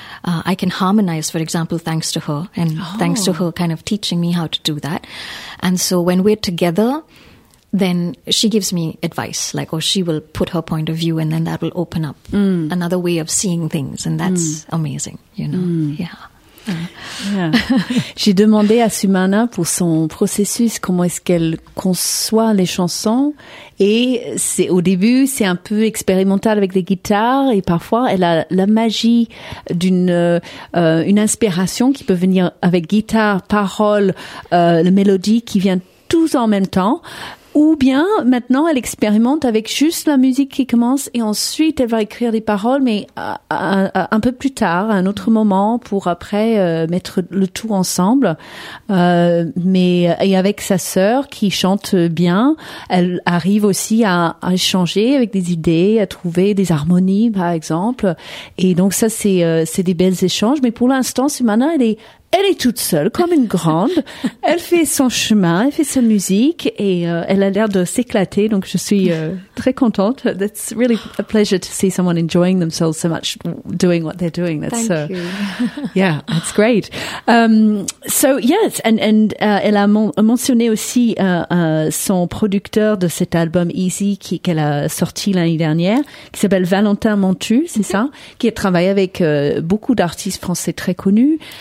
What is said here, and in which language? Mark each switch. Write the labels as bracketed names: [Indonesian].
[English] I can harmonize, for example, thanks to her and thanks to her kind of teaching me how to do that. And so when we're together, then she gives me advice, like, or she will put her point of view and then that will open up another way of seeing things. And that's amazing, you know, yeah. Yeah. [French] J'ai demandé à Sumana pour son processus comment est-ce qu'elle conçoit les chansons et c'est au début c'est un peu expérimental avec des guitares et parfois elle a la magie d'une une inspiration qui peut venir avec guitare, paroles, la mélodie qui vient tous en même temps. Ou bien, maintenant, elle expérimente avec juste la musique qui commence et ensuite, elle va écrire les paroles, mais un peu plus tard, à un autre moment, pour après mettre le tout ensemble. Et avec sa sœur qui chante bien, elle arrive aussi à échanger avec des idées, à trouver des harmonies, par exemple. Et donc, ça, c'est des belles échanges. Mais pour l'instant, Sumana, elle est toute seule, comme une grande. Elle fait son chemin, elle fait sa musique et elle a l'air de s'éclater. Donc, je suis très contente. [English] That's really a pleasure to see someone enjoying themselves so much doing what they're doing. That's, thank you. Yeah, that's great. [French] Elle a mentionné aussi son producteur de cet album Easy qu'elle a sorti l'année dernière, qui s'appelle Valentin Montu, c'est ça, qui a travaillé avec beaucoup d'artistes français très connus.